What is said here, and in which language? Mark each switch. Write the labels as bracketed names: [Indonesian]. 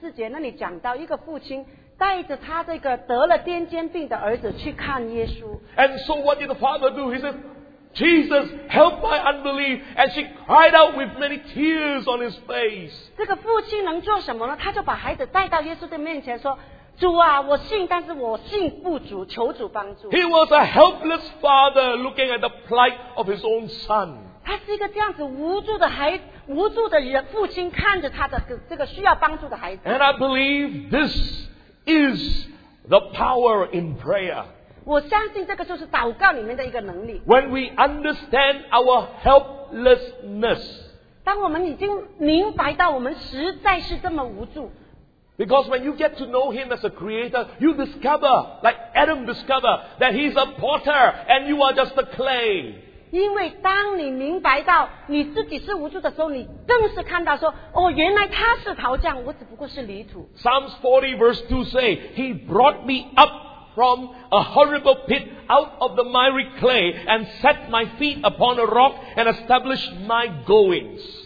[Chinese] 这个马可福音第9章24节那里讲到一个父亲, 带着他这个得了癫痫病的儿子去看耶稣。 [English] And so what did the father do? He said, Jesus, help my unbelief. And she cried out with many tears on his face. [Chinese] 这个父亲能做什么呢? 他就把孩子带到耶稣的面前说, 主啊, 我信, 但是我信不足, 求主帮助。 [English] He was a helpless father looking at the plight of his own son. [Chinese] 他是一个这样子无助的孩子, 无助的父亲, 看着他的这个需要帮助的孩子。 [English] And I believe this is the power in prayer. When we understand our helplessness, because when you get to know Him as a creator, you discover, like Adam discovered, that He's a potter and you are just the clay. [Chinese] 因为当你明白到你自己是无助的时候, 你更是看到说, 哦, 原来他是陶匠, 我只不过是泥土。 [English] Psalms 40 verse 2 say, He brought me up from a horrible pit out of the miry clay and set my feet upon a rock and established my goings.